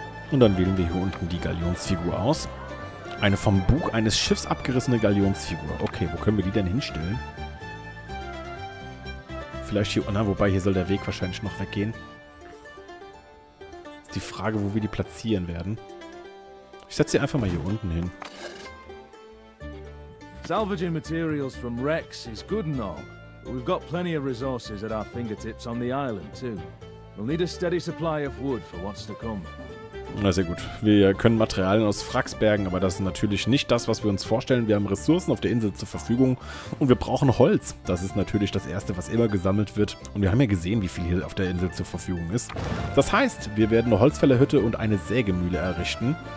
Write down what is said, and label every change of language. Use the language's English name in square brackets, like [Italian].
[German] Und dann wählen wir hier unten die Galionsfigur aus. Eine vom Bug eines Schiffs abgerissene Galionsfigur. Okay, wo können wir die denn hinstellen? Vielleicht hier... Na, wobei, hier soll der Weg wahrscheinlich noch weggehen. Die Frage, wo wir die platzieren werden. Ich setze sie einfach mal hier unten hin. [English] Salvaging materials from wrecks is good and all, but we've got plenty of resources at our fingertips on the island too. We'll need a steady supply of wood for what's to come. [German] Na, sehr gut. Wir können Materialien aus Wracks bergen, aber das ist natürlich nicht das, was wir uns vorstellen. Wir haben Ressourcen auf der Insel zur Verfügung und wir brauchen Holz. Das ist natürlich das Erste, was immer gesammelt wird. Und wir haben ja gesehen, wie viel hier auf der Insel zur Verfügung ist. Das heißt, wir werden eine Holzfällerhütte und eine Sägemühle errichten.